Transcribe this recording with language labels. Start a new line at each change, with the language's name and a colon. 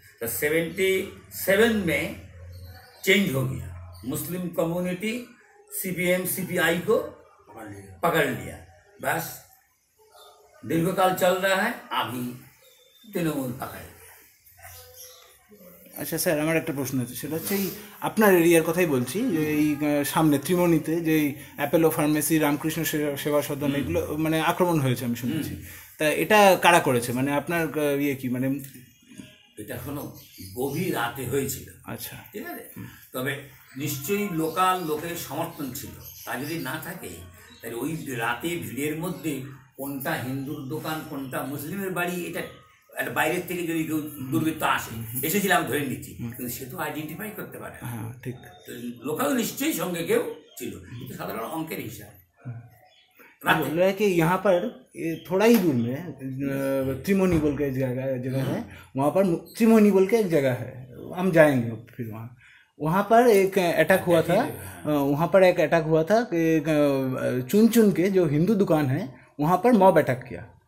Hindi: तो 77 में चेंज हो गया, मुस्लिम कम्युनिटी सीपीएम सीपीआई को पकड़ लिया, बस दीर्घकाल चल रहा है, अभी तृणमूल पकड़ लिया।
Bangla: আচ্ছা স্যার, আমার একটা প্রশ্ন আছে, সেটা হচ্ছে এই আপনার এরিয়ার কথাই বলছি, যে এই সামনে ত্রিমণীতে যে এই অ্যাপেলো ফার্মেসি রামকৃষ্ণ সেবা সদন এগুলো মানে আক্রমণ হয়েছে আমি শুনেছি, তা এটা কারা করেছে, মানে আপনার ইয়ে কি, মানে এটা কোনো গভীর রাতে হয়েছিল? আচ্ছা ঠিক আছে, তবে নিশ্চয়ই লোকাল লোকের সমর্থন ছিল, তা যদি না থাকে তাহলে ওই রাতে ভিড়ের মধ্যে কোনটা হিন্দুর দোকান কোনটা মুসলিমের বাড়ি এটা বাইরের থেকে যদি কেউ দুর্বৃত্ত আসে, এসেছিলাম ধরে নিচ্ছি, কিন্তু সে তো আইডেন্টিফাই করতে পারে। ঠিক, লোকাল নিশ্চয়ই সঙ্গে কেউ ছিল, কিন্তু সাধারণ অঙ্কের হিসাব।
Hindi: बोल रहे हैं कि यहाँ पर थोड़ा ही दूर में त्रिमोनी बोल के एक जगह है, वहाँ पर त्रिमोनी बोल के एक जगह है, हम जाएंगे फिर वहाँ, वहाँ पर एक अटैक हुआ था, वहाँ पर एक अटैक हुआ था कि चुन चुन के जो हिंदू दुकान है वहाँ पर मॉब अटैक किया।